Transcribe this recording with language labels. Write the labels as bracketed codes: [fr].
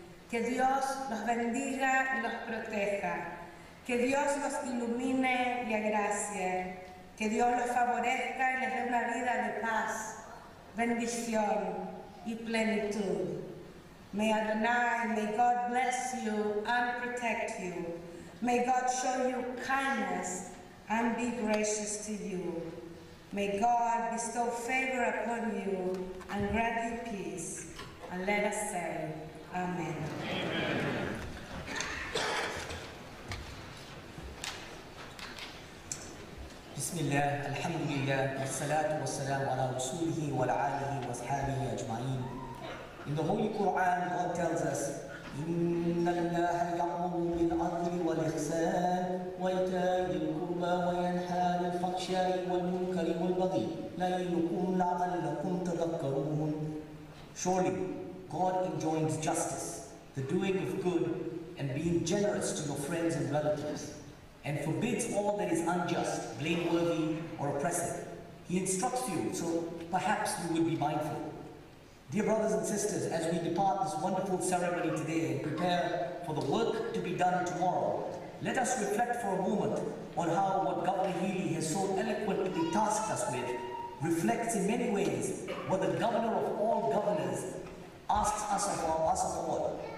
[es] Que Dios los bendiga y los proteja. Que Dios los ilumine y agracie. Que Dios los favorezca y les dé una vida de paz, bendición y plenitud. [en] May Adonai, may God bless you and protect you. May God show you kindness and be gracious to you. May God bestow favor upon you and grant you peace. And let us say, Amen. [ar] بسم الله الحمد لله والصلاة والسلام على رسوله وعلى آله وصحبه أجمعين. [en] In the Holy Quran, God tells us, [ar] إن الله يأمر بالعدل والإحسان وإيتاء ذي القربى وينهى عن الفحشاء والمنكر والبغي ليعظكم لعلكم تذكرون. [en] Surely, God enjoins justice, the doing of good, and being generous to your friends and relatives, and forbids all that is unjust, blameworthy, or oppressive. He instructs you, so perhaps you would be mindful. Dear brothers and sisters, as we depart this wonderful ceremony today and prepare for the work to be done tomorrow, let us reflect for a moment on how what Governor Healy has so eloquently tasked us with reflects in many ways what the governor of all governors asks us of all.